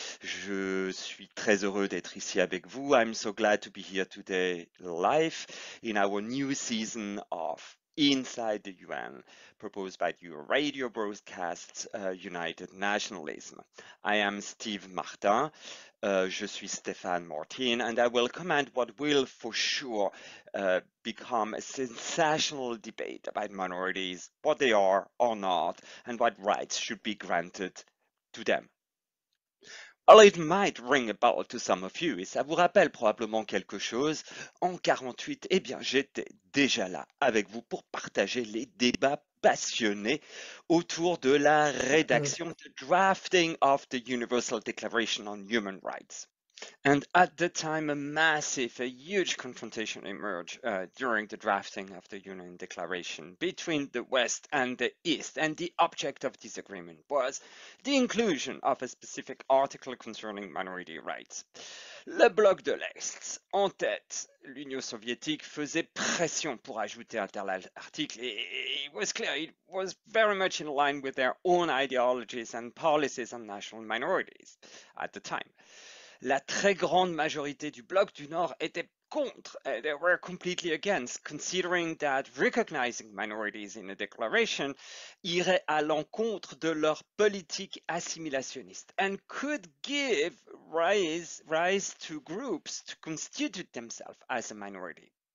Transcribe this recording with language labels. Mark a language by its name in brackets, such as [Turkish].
[French] Je suis très heureux d'être ici avec vous. [English] I'm so glad to be here today live in our new season of Inside the UN, proposed by your radio broadcast, United Nationalism. I am Steve Martin. [French] Je suis Stéphane Martin, [English] and I will command what will for sure become a sensational debate about minorities, what they are or not, and what rights should be granted to them. Well, it might ring a bell to some of you, [French] et ça vous rappelle probablement quelque chose. En 48, eh bien, j'étais déjà là avec vous pour partager les débats passionnés autour de la rédaction, [English] the drafting of the Universal Declaration on Human Rights. And at the time, a huge confrontation emerged during the drafting of the UN Declaration between the West and the East. And the object of this agreement was the inclusion of a specific article concerning minority rights. [French] Le bloc de l'Est, en tête, l'Union soviétique faisait pression pour ajouter un tel article. [English] It was clear it was very much in line with their own ideologies and policies on national minorities at the time. [French] La très grande majorité du bloc du Nord était contre, [English] they were completely against, considering that recognizing minorities in a declaration [French] irait à l'encontre de leur politique assimilationniste [English] and could give rise to groups to constitute themselves as a minority.